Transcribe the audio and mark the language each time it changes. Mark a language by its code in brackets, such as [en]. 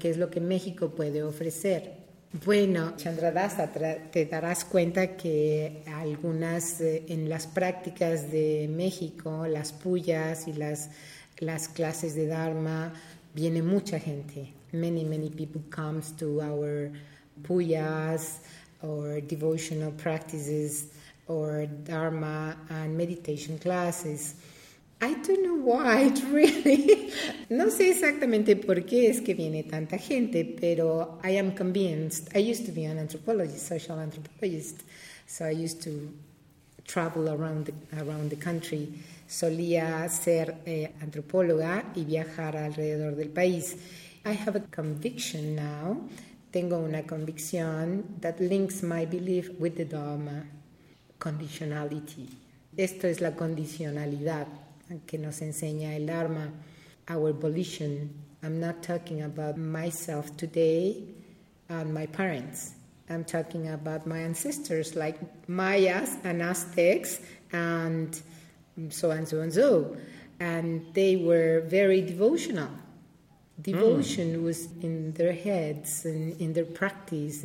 [es] ¿Qué es lo que México puede ofrecer? Bueno, Chandradasa, te darás cuenta que algunas en las prácticas de México, las puyas y las clases de Dharma, viene mucha gente. [en] Many, many people comes to our puyas or devotional practices or Dharma and meditation classes. I don't know why, really. [es] No sé exactamente por qué es que viene tanta gente, pero [en] I am convinced. I used to be an anthropologist, social anthropologist, so I used to travel around the country. [es] Solía ser antropóloga y viajar alrededor del país. [en] I have a conviction now. [es] Tengo una convicción [en] that links my belief with the Dharma conditionality. [es] Esto es la condicionalidad que nos enseña el Dharma, [en] our volition. I'm not talking about myself today and my parents. I'm talking about my ancestors like Mayas and Aztecs and so and so and so. And they were very devotional. Devotion was in their heads and in their practice.